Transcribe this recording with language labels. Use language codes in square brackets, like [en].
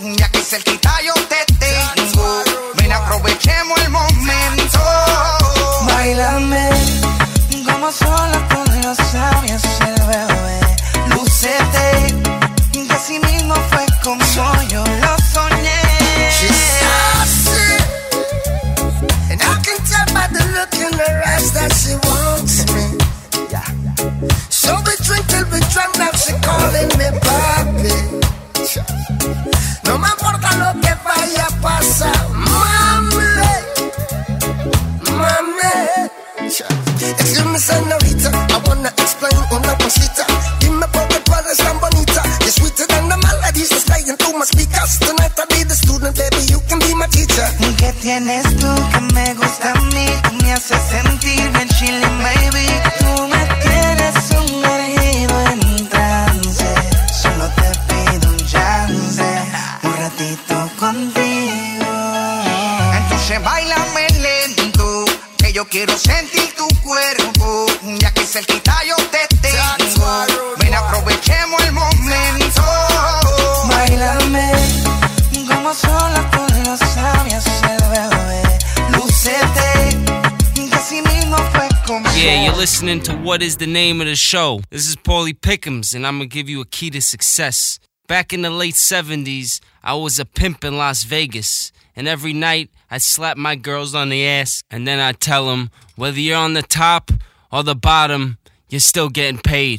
[es] Ya que cerquita yo te tengo, ven aprovechemos el momento. Báilame como solo tú lo sabías el bebé. Lúcete, que así mismo fue como yo lo soñé. [en] She's sassy, and I can tell by the look in her eyes that she wants me. Yeah. So we drink till we drunk, now she calling me papi. [es] No me importa lo que vaya a pasar, mami, mami. [en] Excuse me, señorita, I wanna explain [es] una cosita. Dime por qué tú eres tan bonita. [en] You're sweeter than the melodies that's playing through my speakers. Tonight I'll be the student, baby, you can be my teacher. [es] ¿Qué tienes tú que me gusta a mí? Tú me haces sentir bien chilling, baby. Tú me tienes sumergido en trance. Solo te pido un chance, un ratito contigo. Entonces báilame lento, que yo quiero sentir. Cuerpo, ya que cerquita yo te tengo. Ven, aprovechemos el momento. Báilame como solo tú lo sabías, el bebé. Lúcete, que así mismo fue como. [en] Yeah, you're listening to What Is the Name of the Show. This is Paulie Pickhams, and I'm gonna give you a key to success. Back in the late 70s, I was a pimp in Las Vegas. And every night, I'd slap my girls on the ass. And then I'd tell them, whether you're on the top or the bottom, you're still getting paid.